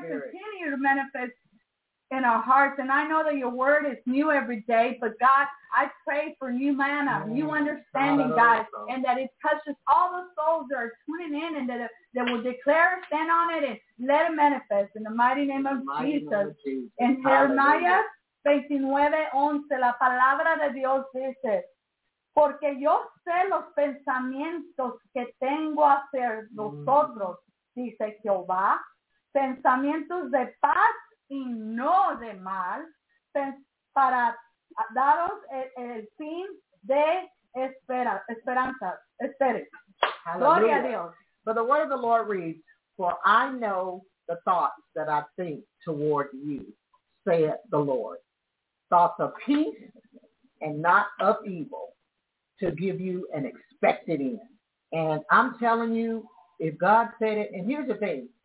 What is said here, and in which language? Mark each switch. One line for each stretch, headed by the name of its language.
English: continue to manifest in our hearts. And I know that your word is new every day, but God, I pray for new manna, new understanding, God, and that it touches all the souls that are tuning in and that will declare, stand on it, and let it manifest in the mighty name of Jesus.
Spanish: In Jeremiah 29:11, la palabra de Dios dice, porque yo sé los pensamientos que tengo hacia vosotros, dice Jehová, pensamientos de paz y no de mal, para daros el fin de esperanza. Espere. Gloria a Dios.
English: For the word of the Lord reads, for I know the thoughts that I think toward you, saith the Lord. Thoughts of peace and not of evil. To give you an expected end. And I'm telling you, if God said it, and here's the thing.